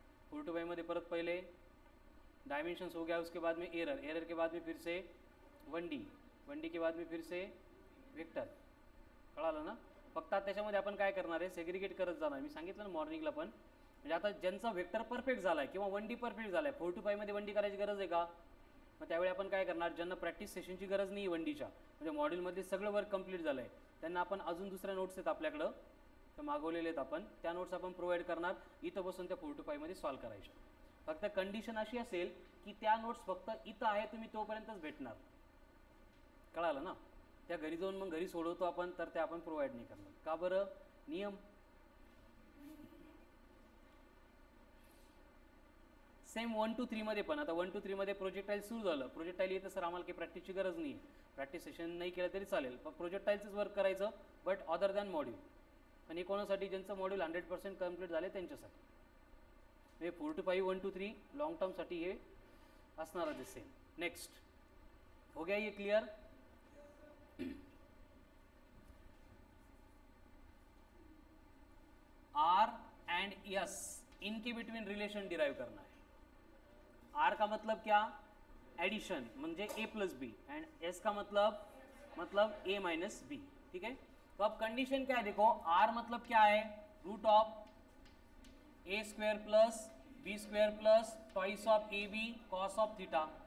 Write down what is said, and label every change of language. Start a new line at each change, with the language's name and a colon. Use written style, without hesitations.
Hindi: 4 to 5
Marathi: मध्ये परत पहिले
Hindi: डायमेन्शन्स हो गया, उसके बाद में एरर, एरर के बाद में फिर से 1D, 1D के बाद में फिर से वेक्टर.
Marathi: कळालं ना, फक्त त्याच्यामध्ये आपण काय करणार आहे, सेग्रिगेट करत जाणार. मी सांगितलं ना मॉर्निंगला पण, म्हणजे आता ज्यांचा वेक्टर परफेक्ट झाला आहे किंवा 1D परफेक्ट झाला आहे, 4 to 5 मध्ये 1D करायची गरज आहे का, मग त्यावेळी आपण काय करणार, ज्यांना प्रॅक्टिस सेशनची गरज नाही 1D, म्हणजे मॉड्यूलमध्ये सगळं वर्क कम्प्लीट झालं आहे, त्यांना आपण अजून दुसऱ्या नोट्स आहेत आपल्याकडं तर मागवलेले आहेत, आपण त्या नोट्स आपण प्रोव्हाइड करणार, इथं बसून त्या 4 to 5 सॉल्व करायच्या. फक्त कंडिशन अशी असेल की त्या नोट्स फक्त इथं आहे, तुम्ही तोपर्यंतच भेटणार. कळालं ना, त्या घरी जाऊन मग घरी सोडवतो आपण, तर त्या आपण प्रोव्हाइड नाही करणार. का बरं, नियम. सेम 1 to 3 मध्ये पण, आता 1 to 3 मध्ये प्रोजेक्टाईल सुरू झालं, प्रोजेक्टाईल येतं सर आम्हाला काही प्रॅक्टिसची गरज नाही आहे, प्रॅक्टिस सेशन नाही केलं तरी चालेल, पण प्रोजेक्टाईलचंच वर्क करायचं,
English: But other than module.
Marathi: आणि कोणासाठी, ज्यांचं मॉड्यूल 100% कम्प्लीट झाले त्यांच्यासाठी. म्हणजे 4 to 5, 1 to 3 लॉंग टर्मसाठी हे असणार आहे सेम.
Hindi: नेक्स्ट. हो गया ये क्लिअर.
Marathi: आर अँड एस इनके बिटवीन रिलेशन डिराईव करणार आहे.
Hindi: R का मतलब क्या, एडिशन,
Marathi: म्हणजे ए प्लस बी,
Hindi: एंड एस का मतलब ए माइनस बी. ठीक है, तो अब कंडीशन क्या है, देखो R मतलब क्या है, root of A square plus B square plus twice of A B cos of theta.